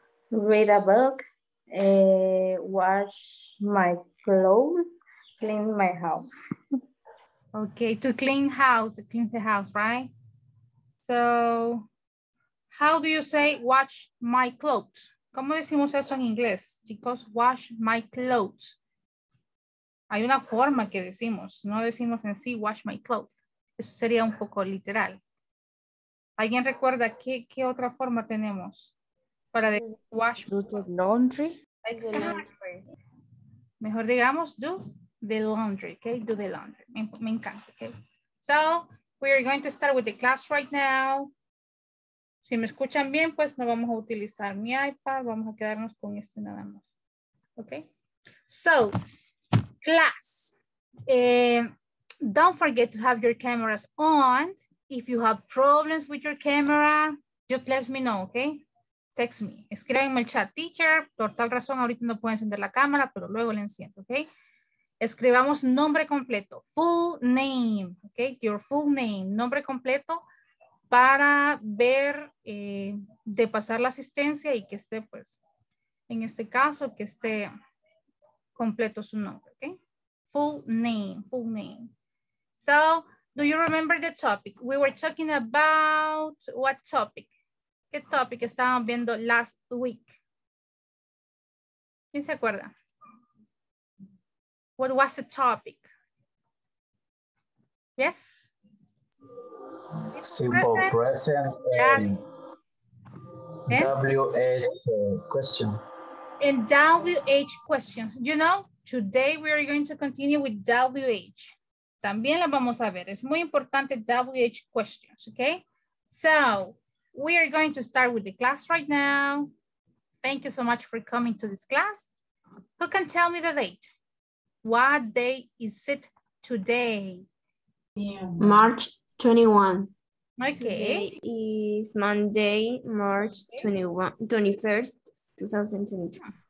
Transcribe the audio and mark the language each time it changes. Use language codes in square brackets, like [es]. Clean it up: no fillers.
[en] Read a book, wash my clothes, clean my house. Okay, to clean the house, right? So, how do you say wash my clothes? [es] ¿Cómo decimos eso en inglés? Chicos, [en] wash my clothes. [es] Hay una forma que decimos, no decimos en sí [en] wash my clothes. [es] Eso sería un poco literal. ¿Alguien recuerda qué otra forma tenemos para decir wash? [en] Do the laundry. Exactly. [es] Mejor digamos [en] do the laundry, okay? Do the laundry. [es] Me encanta, okay? [en] So, we are going to start with the class right now. [es] Si me escuchan bien, pues no vamos a utilizar mi iPad, vamos a quedarnos con este nada más. [en] Okay? So, class, don't forget to have your cameras on. If you have problems with your camera, just let me know, okay? Text me. [es] Escríbanme el chat, teacher. Por tal razón, ahorita no puedo encender la cámara, pero luego la enciendo, okay? Escribamos nombre completo, full name, okay? Your full name, nombre completo, para ver de pasar la asistencia y que esté, pues, en este caso, que esté completo su nombre, okay? [en] Full name. So, do you remember the topic? We were talking about what topic? [es] ¿Qué topic estábamos viendo [en] last week? [es] ¿Quién se acuerda? [en] What was the topic? Yes? Simple present. Yes. And? WH questions. You know, today we are going to continue with WH. También la vamos a ver. Es muy importante WH questions, okay? So, we are going to start with the class right now. Thank you so much for coming to this class. Who can tell me the date? What day is it today? March 21. Okay. Today is Monday, March 21st, 2022.